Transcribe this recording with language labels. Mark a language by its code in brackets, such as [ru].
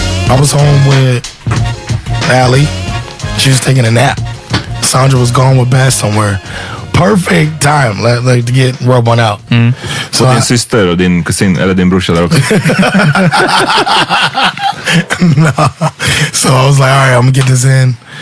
[en] I was home with Allie. She was taking a nap. Sandra was gone with Bass somewhere. Perfect time, like to get rub one out. Mm. [sv] So din syster och din kusin eller din brorsa där också. [en] So I was like, all right, I'm gonna get this in.